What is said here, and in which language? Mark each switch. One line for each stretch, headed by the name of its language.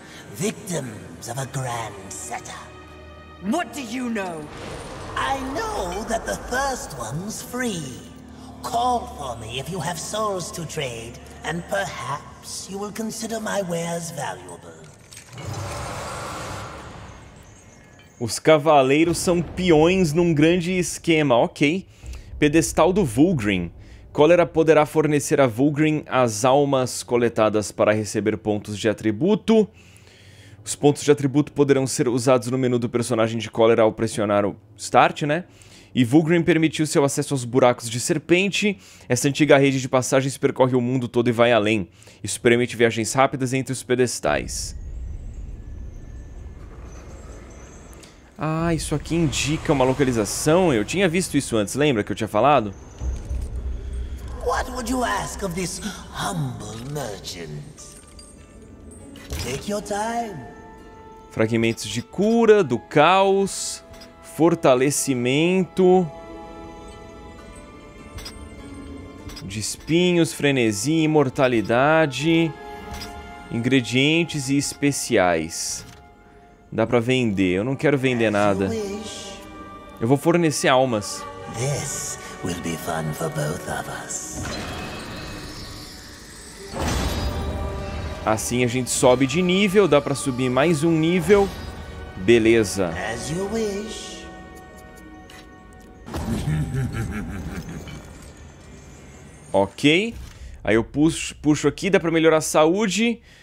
English: Victims of a grand setter. What do you know? I know that the first one's free. Call for me if you have souls to trade, and perhaps you will consider my wares valuable.
Portuguese: Os cavaleiros são peões num grande esquema, ok. Pedestal do Volgrim. Cólera poderá fornecer a Volgrim as almas coletadas para receber pontos de atributo. Os pontos de atributo poderão ser usados no menu do personagem de Cólera ao pressionar o Start, né? E Volgrim permitiu seu acesso aos buracos de serpente. Essa antiga rede de passagens percorre o mundo todo e vai além. Isso permite viagens rápidas entre os pedestais. Ah, isso aqui indica uma localização. Eu tinha visto isso antes, lembra que eu tinha falado?
English: What would you ask of this humble merchant? Take your time.
Portuguese: Fragmentos de cura, do caos, fortalecimento, de espinhos, frenesi, imortalidade, ingredientes e especiais. Dá pra vender, eu não quero vender nada. Eu vou fornecer almas.
English: This will be fun for both of us.
Portuguese: Assim a gente sobe de nível, dá pra subir mais um nível. Beleza.
English: As you wish.
Portuguese: Ok. Aí eu puxo aqui, dá pra melhorar a saúde.